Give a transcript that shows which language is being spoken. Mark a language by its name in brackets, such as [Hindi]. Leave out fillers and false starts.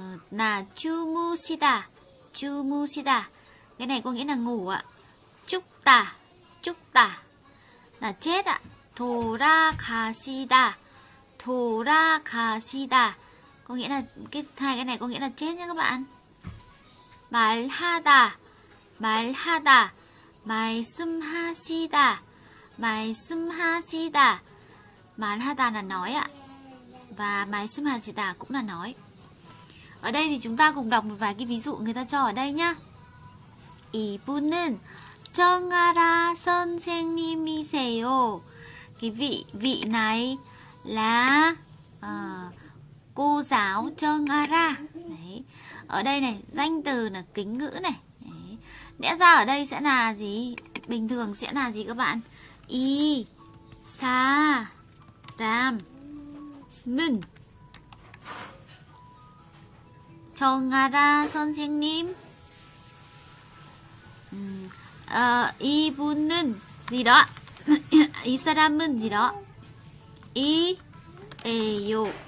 [Korean] Là 주무시다, 주무시다. [Vietnamese] Cái này có nghĩa là ngủ ạ. [Korean] 죽다, 죽다. [Vietnamese] Là chết ạ. [Korean] 돌아가시다, 돌아가시다. [Vietnamese] Có nghĩa là cái hai cái này có nghĩa là chết nha các bạn. [Korean] 말하다, 말하다. 말씀하시다, 말씀하시다. [Vietnamese] 말하다 là nói ạ. Và 말씀하시다 cũng là nói. Ở đây thì chúng ta cùng đọc một vài cái ví dụ người ta cho ở đây nhá. [Korean] 이분은 청아라 선생님이세요. [Vietnamese] Cái vị này là cô giáo 청아라. Đấy. Ở đây này, danh từ là kính ngữ này. Đấy. Lẽ ra ở đây sẽ là gì? bình thường sẽ là gì các bạn? [Korean] I sa ram nung chongara sonsengnim i bunun [Vietnamese] gì đó [Korean] i saramun gì đó i eyo.